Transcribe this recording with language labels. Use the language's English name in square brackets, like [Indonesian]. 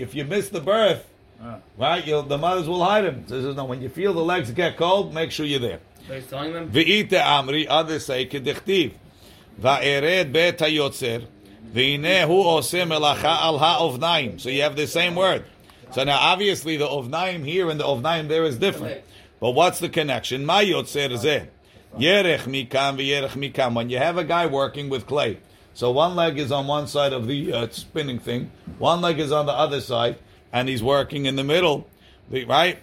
[English] If you miss the birth, right, the mothers will hide him. This is not when you feel the legs get cold, make sure you're there. So he's telling them? Others say, [Hebrew] כדכתיב, ואירד בית היוצר, והנה הוא עושה מלאכה על האובניים. [English] So you have the same word. So now, obviously, the ovnaim here and the ovnaim there is different. But what's the connection? [Hebrew] מה יוצר זה? ירח מכאן וירח מכאן. [English] When you have a guy working with clay, so one leg is on one side of the spinning thing, one leg is on the other side, and he's working in the middle, right?